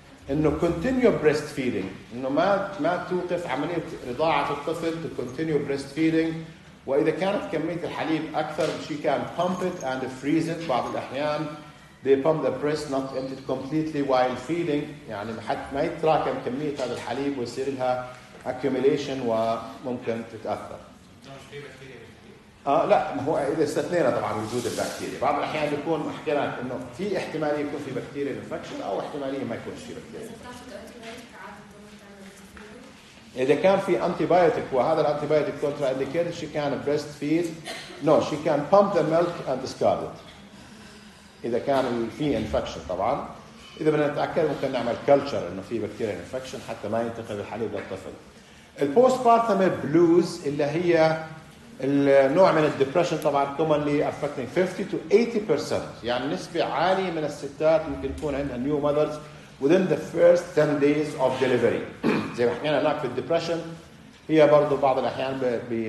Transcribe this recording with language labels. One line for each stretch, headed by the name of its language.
Arabic: انه
English: continue breastfeeding
Arabic: انه ما توقف عملية رضاعة الطفل to continue breastfeeding واذا كانت كمية الحليب اكثر
English: she can pump it and freeze it
Arabic: بعض الاحيان
English: they pump the breast not emptied completely while feeding
Arabic: يعني حتى ما يتراكم كمية هذا الحليب ويصير لها accumulation وممكن تتأثر. لا هو إذا استثنينا طبعاً وجود البكتيريا. بعض الأحيان يكون محكمة إنه في احتمال يكون في بكتيريا infection أو احتمالية ما يكون في بكتيريا. إذا كان في antibiotic وهذا antibiotic contraindicated
English: she can breastfeed. No she can pump the milk and discard it.
Arabic: إذا كان في infection طبعاً. إذا بدنا نتأكد ممكن نعمل culture إنه في بكتيريا infection حتى ما ينتقل الحليب للطفل. البوستبارتم بلوز اللي هي النوع من الدبريشن طبعا
English: commonly affecting 50 to 80%
Arabic: يعني نسبة عالية من الستات ممكن تكون عندها
English: new mothers within the first 10 days of delivery
Arabic: زي ما حكينا هناك في الدبريشن هي برضو بعض الأحيان